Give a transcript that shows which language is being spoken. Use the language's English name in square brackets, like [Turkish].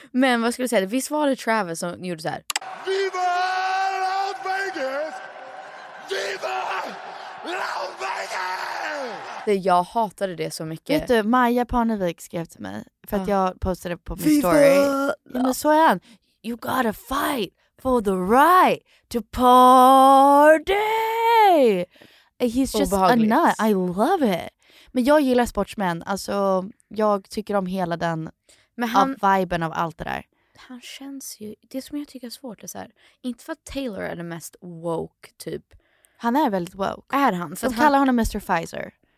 [Swedish] Men vad skulle du säga? Visst var det Travis som gjorde såhär? Viva Las Vegas! Viva Las Vegas! Jag hatade det så mycket. Vet du, Maja Parnevik skrev till mig. För att jag postade på min story. Ja, men så är han. [English] You gotta fight for the right to party! He's just a nut. I love it. [Swedish] Men jag gillar sportsmän. Alltså... jag tycker om hela den viben av allt det där. Han känns ju, det som jag tycker är svårt är så här, inte för att Taylor är den mest woke typ. Han är väldigt woke. Är han? De kallar honom Mr. Pfizer.